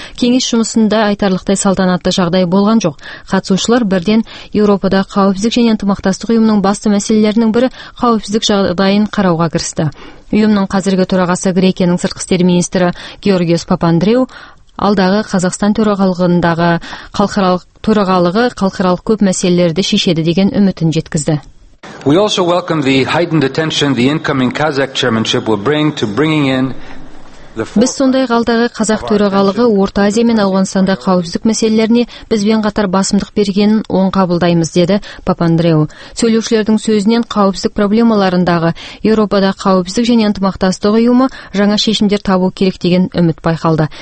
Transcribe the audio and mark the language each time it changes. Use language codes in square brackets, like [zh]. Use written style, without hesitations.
[kk] Кеңес жұмысында айтарлықтай салтанатты жағдай болған жоқ. Қатысушылар бірден Еуропада қауіпсіздік және ынтымақтастық ұйымының басты мәселелерінің бірі қауіпсіздік жағдайын қарауға кірісті. Ұйымның қазіргі төрағасы Грекияның сыртқы істер министрі Георгиос Папандреу алдағы Қазақстан төрағалығындағы халықаралық көп мәселелерді шешеді деген үмітін жеткізді. [en] We also welcome the heightened attention the incoming Kazakh chairmanship will bring to bringing in [kk] Біз сондай қалдағы Қазақ төрағалығы Орта Азия мен Ауғанстанда қауіпсіздік мәселелеріне бізбен қатар басымдық бергенін оң қабылдаймыз, деді Папандреу. Сөйлеушілердің сөзінен қауіпсіздік проблемаларындағы Еуропада қауіпсіздік және ынтымақтастық ұйымы жаңа шешімдер табу керек деген үміт байқалды.